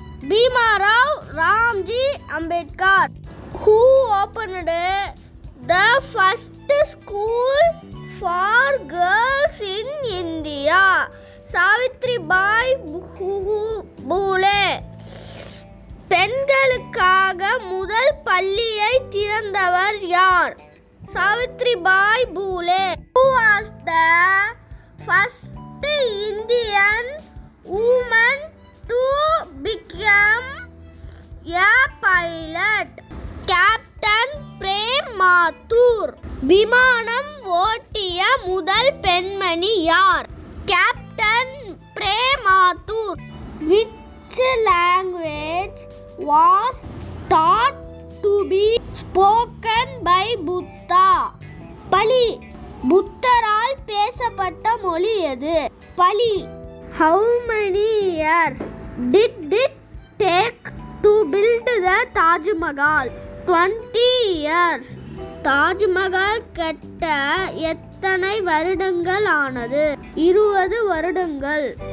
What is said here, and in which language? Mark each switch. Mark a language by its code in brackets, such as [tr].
[en] Bhimrao Ramji Ambedkar. Who opened the first school for girls in India? [ta] Savitri பாய் பூலே. பெண்களுக்காக முதல் பள்ளியை திறந்தவர் யார்? சாவித்ரி பாய் Phule. [en] Who was the first Indian woman to become a pilot? [ta] Captain frame Mathur. விமானம் ஓட்டிய முதல் பெண்மணி யார்? Captain frame Mathur. [en] Which language was taught to be spoken by Buddha? Pali. [ta] புத்தரால் பேசப்பட்ட மொழி எது? பலி. [en] How many years did it take to build the Taj Mahal? 20 years. [ta] Taj Mahal கட்ட எத்தனை வருடங்கள் ஆனது? 20 வருடங்கள்.